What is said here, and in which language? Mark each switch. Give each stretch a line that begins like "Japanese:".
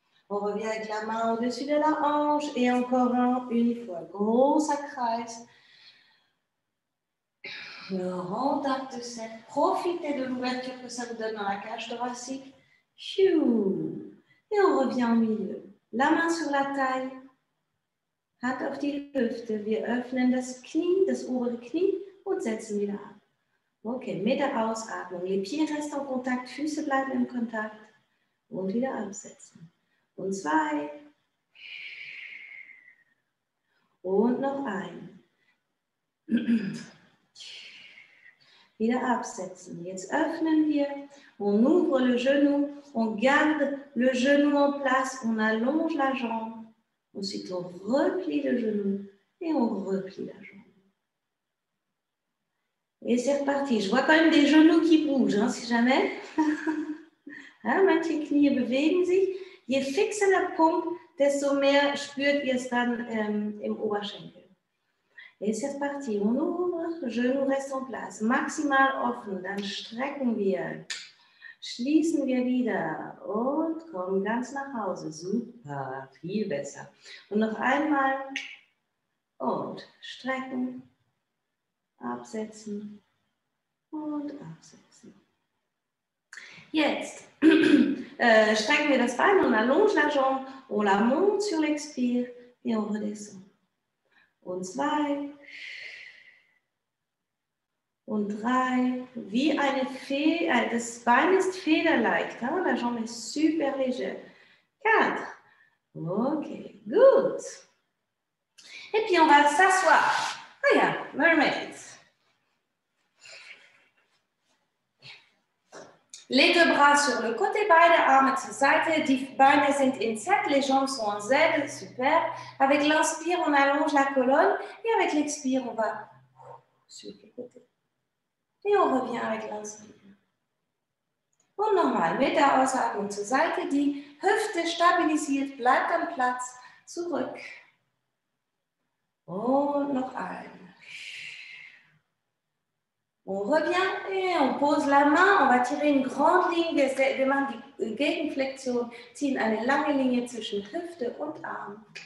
French: On revient avec la main au-dessus de la hanche, et encore une fois,
German: großer Kreis.
French: Le grand arc de cercle, profitez de l'ouverture que ça vous donne dans la cage thoracique, et on revient au milieu. La main sur la taille,
German: hat auf die Hüfte. Wir öffnen das Knie, das obere Knie und setzen wieder ab. Okay, mit der Ausatmung.
French: Les pieds restent en contact,
German: Füße bleiben im Kontakt und wieder absetzen. Und zwei. Und noch ein. Wieder absetzen. Jetzt öffnen wir.
French: On ouvre le genou. On garde le genou en place. On allonge la jambe. Ensuite, on replie le genou. Et on replie la jambe. Et c'est reparti. Je vois quand même des genoux qui bougent, hein, si jamais.
German: Manche Knie bewegen sich. Je fixer la pompe, desto mehr spürt ihr es dann im Oberschenkel.
French: Et c'est reparti. On ouvre. Genou reste en place.
German: Maximal offen. Dann strecken wir. Schließen wir wieder und kommen ganz nach Hause. Super, viel besser. Und noch einmal und strecken, absetzen und absetzen. Jetzt strecken wir das Bein und
French: allonge la jambe, on la monte sur l'expire et on redescend.
German: Und zwei. Und drei, wie eine Fee, das Bein ist federleicht, hein?
French: La jambe est super léger. Quatre,
German: okay, gut.
French: Et puis on va s'asseoir. Ah ja, mermaid. Les deux bras sur le côté,
German: beide Arme zur Seite, die Beine sind in Z,
French: les jambes sont en Z, super. Avec l'inspire, on allonge la colonne et avec l'expire, on va sur le côté. Et on revient avec l'inspire.
German: Und nochmal, mit der Ausatmung zur Seite, die Hüfte stabilisiert, bleibt am Platz, zurück. Und noch ein.
French: On revient et on pose la main, on va tirer une grande ligne,
German: wir machen die Gegenflexion, ziehen eine lange Linie zwischen Hüfte und Arm.